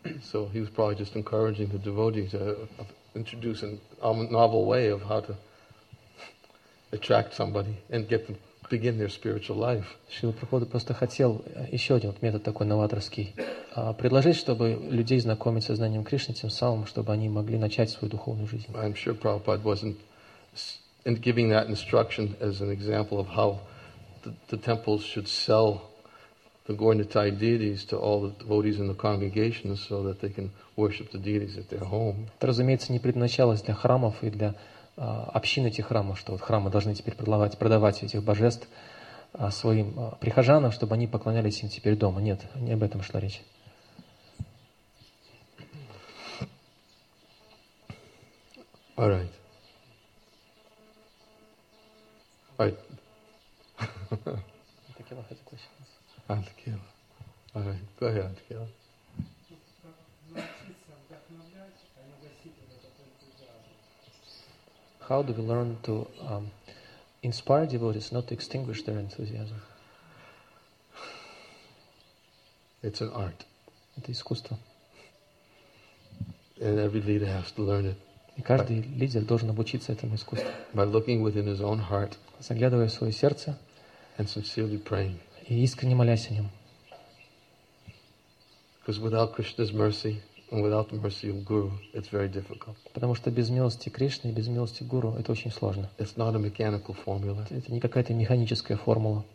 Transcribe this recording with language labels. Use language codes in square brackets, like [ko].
[en] So he was probably just encouraging the devotee to introduce a novel way of how to attract somebody and get them begin their spiritual life. [ru] Шрила Прабхупада просто хотел еще один вот метод такой новаторский предложить, чтобы людей знакомить со знанием Кришны, тем самым, чтобы они могли начать свою духовную жизнь. [en] I'm sure Prabhupada wasn't in giving that instruction as an example of how the temples should sell the Gaurinya Thai deities to all the devotees in the congregation so that they can worship the deities at their home. [ru] Это, разумеется, не предназначалось для храмов и для общин этих храмов, что вот храмы должны теперь продавать этих божеств своим прихожанам, чтобы они поклонялись им теперь дома. Нет, не об этом шла речь. [en] All right. Right. Antakila has a question. Antakila. All right. Go ahead, Antakila. How do we learn to inspire devotees, not to extinguish their enthusiasm? It's an art. [ru] Это искусство. [en] And every leader has to learn it. [ru] И каждый лидер должен обучиться этому искусству. [en] By looking within his own heart. [ru] Заглядывая в свое сердце, [en] and sincerely praying. [ru] И искренне молясь о нем. [en] Because without Krishna's mercy and without the mercy of Guru, it's very difficult. [ru] Потому что без милости Кришны и без милости Гуру это очень сложно. [en] It's not a mechanical formula. [ru] Это не какая-то механическая формула.